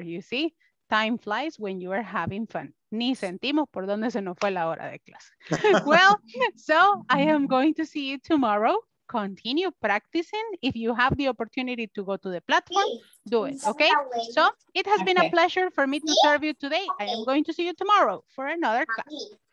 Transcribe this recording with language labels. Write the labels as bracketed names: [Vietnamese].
[English] You see, time flies when you are having fun. [Spanish] Ni sentimos por donde se nos fue la hora de clase. [English] Well, so I am going to see you tomorrow. Continue practicing. If you have the opportunity to go to the platform, do it, okay? So it has been a pleasure for me to serve you today. I am going to see you tomorrow for another class.